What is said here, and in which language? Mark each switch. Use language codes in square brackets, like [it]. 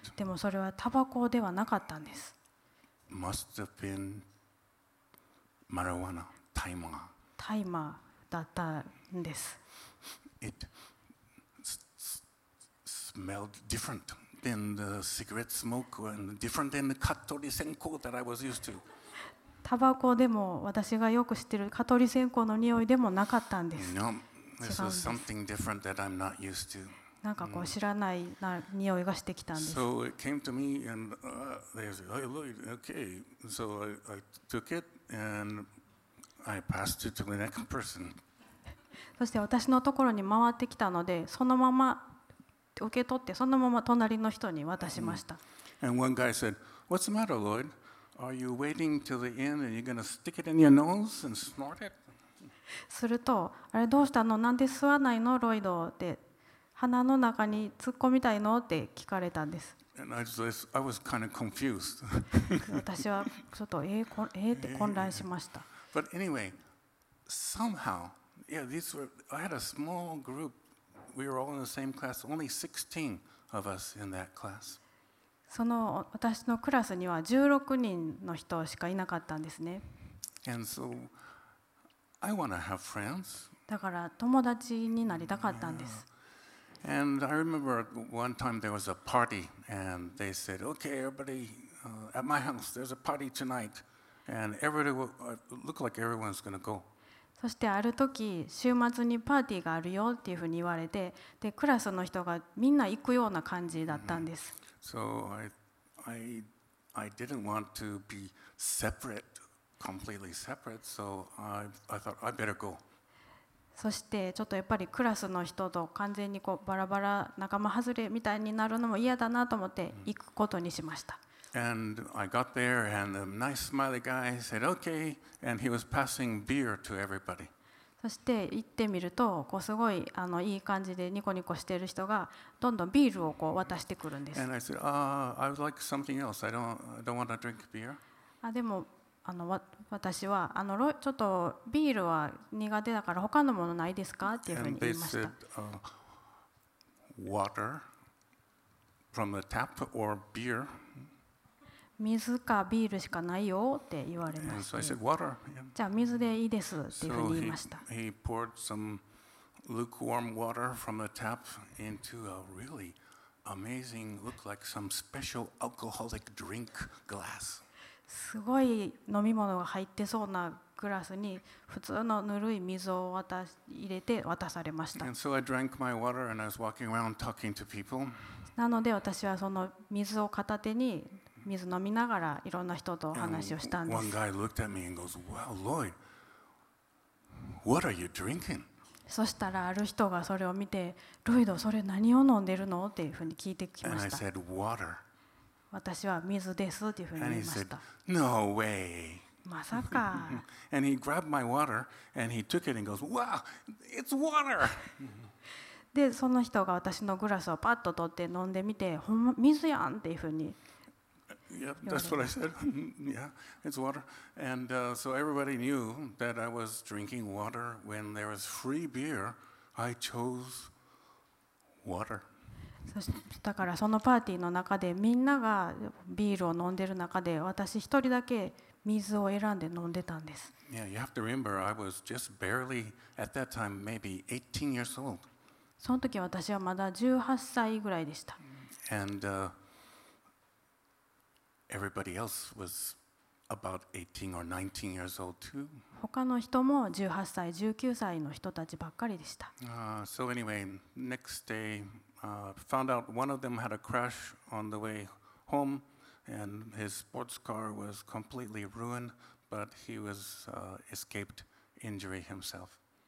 [ja] でもそれはタバコではなかったんです。 [en] Must have been marijuana, timer. [ja] タイマーだったんです。 [en] It smelled different than the cigarette smoke and different than the Katori Senko that I was used to. [ja] タバコでも私がよく知っている蚊取り線香の匂いでもなかったんです。 [en] No, this was something different that I'm not used to. [ja] なんかこう知らない匂いがしてきたんです。 [en] So it came to me and they said, "Oh, okay." So I took it and I passed it to the next person. [ja] そして私のところに回ってきたので、そのまま受け取ってそのまま隣の人に渡しました。 [en] And one guy said, "What's the matter, Lloyd? Are you waiting till the end and you're going to stick it in your nose and snort it? [ja] すると、あれどうしたの？なんで吸わないの、ロイド？って鼻の中に突っ込みたいの？って聞かれたんです。 [en] And I was kind of confused. [ja] 私はちょっとって混乱しました。 [en] But anyway, somehow, yeah, these were, I had a small group. We were all in the same class, only 16 of us in that class. [ja] その私のクラスには16人の人しかいなかったんですね。 [en] And so, I wanna have friends. [ja] だから友達になりたかったんです。 [en] Yeah. And I remember one time there was a party and they said, okay, everybody, at my house, there's a party tonight. And everybody will, look like everyone's gonna go. [ja] そしてある時週末にパーティーがあるよっていうふうに言われて、でクラスの人がみんな行くような感じだったんです。 [en] Mm-hmm. So I didn't want to be separate, completely separate. So I thought I better go. [ja] そしてちょっとやっぱりクラスの人と完全にこうバラバラ仲間外れみたいになるのも嫌だなと思って行くことにしました。 [en] Mm-hmm. And I got there, and a nice smiley guy said, "Okay." And he was passing beer to everybody. [ja] そして行ってみると、こうすごいいい感じでニコニコしている人がどんどんビールをこう渡してくるんです。 [en] And I said, "I would like something else. I don't want to drink beer." [ja] あ、でも私はちょっとビールは苦手だから他のものないですかっていうふうに言いました。 [en] And they said, "Water from the tap or beer." [ja] 水かビールしかないよって言われまして、 [en] so、said, water, yeah. [ja] じゃあ水でいいですっていうふうに言いました。 [en] So、he poured some lukewarm water from the tap into a really amazing, looked like some special alcoholic drink glass. [ja] すごい飲み物が入ってそうなグラスに普通のぬるい水を入れて渡されました。 [en] And so I drank my water and I was walking around talking to people. [ja] なので私はその水を片手に水飲みながらいろんな人と話をしたんです。 [en] One guy looked at me and goes, "Well, Lloyd, what are you drinking?" [ja] そしたらある人がそれを見て、ロイド、それ何を飲んでるの？っていうふうに聞いてきました。 [en] And I said, "Water." [ja] 私は水ですっていうふうに言いました。 [en] And he said, "No way." [ja] まさか。 [en] And he grabbed my water and he took it and goes, "Wow, it's water." [ja] でその人が私のグラスをパッと取って飲んでみて、ほんま水やんっていうふうに。 [en] Yep, that's what I said. Yeah, it's water. And so everybody knew that I was drinking water when there was free beer. I chose water. [ja] だからそのパーティーの中でみんながビールを飲んでる中で私一人だけ水を選んで飲んでたんです。 [en] Yeah, you have to remember I was just barely at that time maybe 18 years old. [ja] その時私はまだ18歳ぐらいでした。 [en] And Everybody else was about 18 or 19 years old too. [ja] 他の人も18歳、19歳の人たちばっかりでした。 [en] So anyway, next day, found out one of them had a crash on the way home, and his sports car was completely ruined, but he was escaped injury himself.